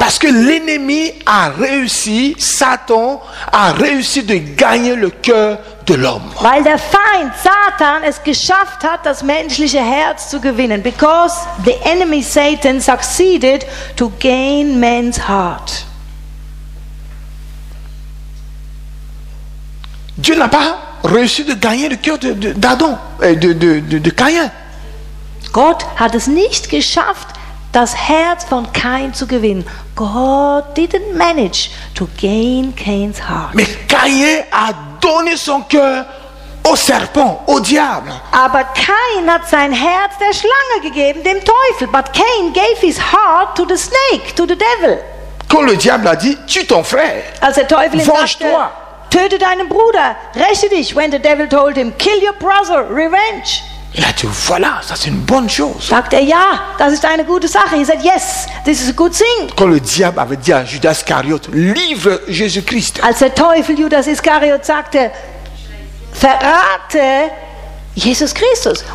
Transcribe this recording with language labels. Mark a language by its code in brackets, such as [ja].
[fr] Parce que l'ennemi a réussi, Satan a réussi de gagner le cœur de l'homme. [de] Weil der Feind, Satan, es geschafft hat, das menschliche Herz zu gewinnen. [en] Because the enemy, Satan, succeeded to gain man's heart. [fr] Dieu n'a pas réussi de gagner le cœur de Caïn. [de] Gott hat es nicht geschafft, das Herz von Caïn zu gewinnen. [en] God didn't manage to gain Cain's heart. [fr] Mais Caïn a donné son cœur au serpent, au diable. [de] Aber Caïn hat sein Herz der Schlange gegeben, dem Teufel. [en] But Cain gave his heart to the snake, to the devil. [fr] Quand le diable a dit, tue ton frère. [de] Als der Teufel ihm sagte, töte deinen Bruder, räche dich. [en] When the devil told him, kill your brother, revenge. [fr] Là, tu, voilà, ça c'est une bonne chose. [de] Sagt er, ja, das ist eine gute Sache. [en] He said, yes, this is a good thing. [fr] Quand le diable avait dit à Judas Iscariot, livre Jésus-Christ. [de] Als der Teufel Judas Iscariot sagte, verrate Jesus Christus.